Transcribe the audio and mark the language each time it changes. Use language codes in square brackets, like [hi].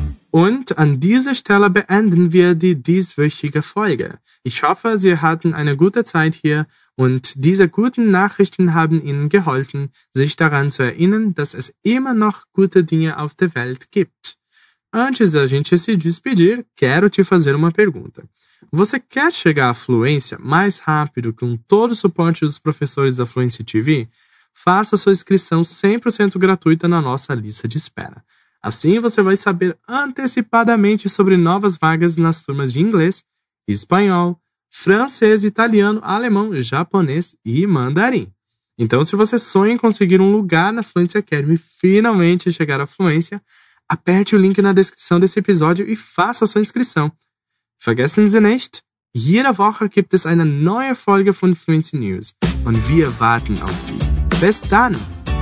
[de] Und an dieser Stelle beenden wir die dieswöchige Folge. Ich hoffe, Sie hatten eine gute Zeit hier und diese guten Nachrichten haben Ihnen geholfen, sich daran zu erinnern, dass es immer noch gute Dinge auf der Welt gibt. [pt] Antes da gente se despedir, quero te fazer uma pergunta. Você quer chegar à fluência mais rápido com todo o suporte dos professores da Fluency TV? Faça sua inscrição 100% gratuita na nossa lista de espera. Assim você vai saber antecipadamente sobre novas vagas nas turmas de inglês, espanhol, francês, italiano, alemão, japonês e mandarim. Então, se você sonha em conseguir um lugar na Fluency Academy e finalmente chegar à fluência, aperte o link na descrição desse episódio e faça sua inscrição. [de] Vergessen Sie nicht, jede Woche gibt es eine neue Folge von Fluency News und wir warten auf Sie. Bis dann!